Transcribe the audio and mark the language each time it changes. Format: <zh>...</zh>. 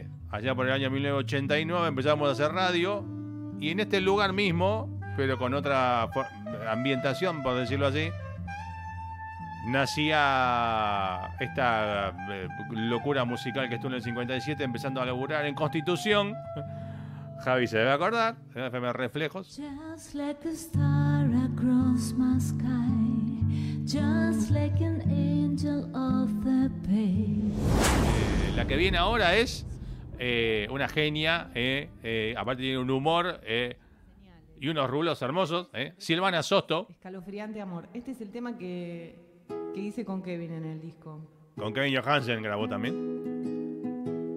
<es>Allá por el año 1989 empezamos a hacer radio y en este lugar mismo, pero con otra ambientación, por decirlo así, nacía esta locura musical que estuvo en el 57, empezando a laburar en Constitución. Javi se debe acordar, FM Reflejos.</es> <en>Just like a star across my sky, just like an angel of the pale.</en> <es>La que viene ahora es una genia, aparte tiene un humor y unos rulos hermosos. Silvana Sosto. Escalofriante amor. Este es el tema que... ¿qué hice con Kevin en el disco? Con Kevin Johansen grabó también.</es>